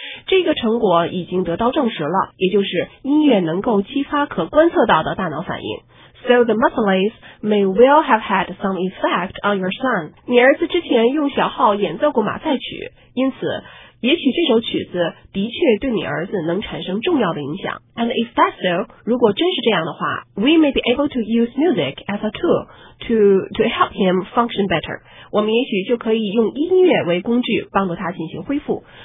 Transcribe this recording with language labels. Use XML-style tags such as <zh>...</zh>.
<zh>这个成果已经得到证实了，也就是音乐能够激发可观测到的大脑反应。</zh> <en>So the muscles may well have had some effect on your son。</en> <zh>你儿子之前用小号演奏过马赛曲，因此。也许这首曲子的确对你儿子能产生重要的影响。</zh> <en>And if that's so,</en> <zh>如果真是这样的话</zh> <en>,we may be able to use music as a tool to help him function better.</en> <zh>我们也许就可以用音乐为工具帮助他进行恢复。</zh>